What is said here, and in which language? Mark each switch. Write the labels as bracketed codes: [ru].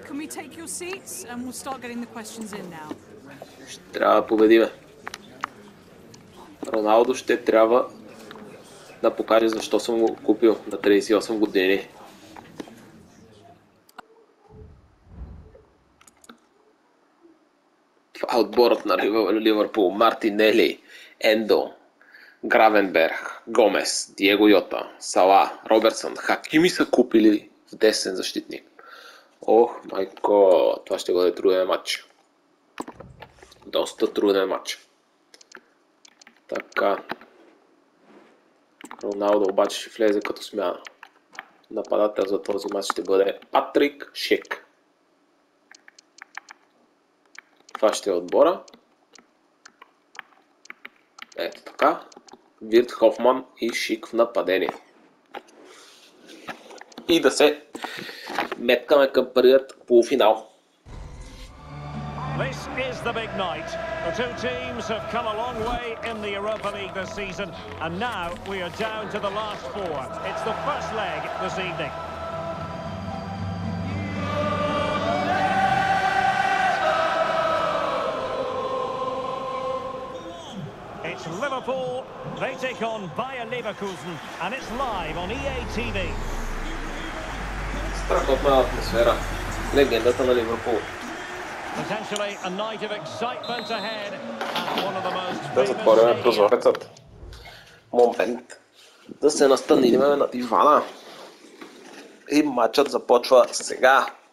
[en] Can we take your seats and we'll start getting the questions in now. [bg] Ще трябва да победиме. Роналдо ще трябва да покаже защо съм го купил на 38 години. Отборът на Ливърпул. Мартинели, Ендо, Гравенберг, Гомес, Диего Йота, Сала, Робертсън, Хакими са купили в десен защитник. Ох, майко, това ще бъде труден матч. Доста труден матч. Така. Роналдо обаче ще влезе като смяна. Нападател за този матч ще бъде Патрик Шик. Това ще е отбора. Ето така. Вирт Хофман и Шик в нападение. И да се меткаме към първият полуфинал. [en] This is the big night. The two teams have come a long way in the Europa League this season, and now we are down to the last four. It's the first leg this evening. It's Liverpool. They take on Bayer Leverkusen, and it's live on EA TV. [bg] Страхотна атмосфера. Легендата на Ливърпул. [en] Potentially a night of excitement ahead and one of the most famous. [bg] Да затворим прозорецът. Момент. Да се настанем на дивана. И матчът започва сега.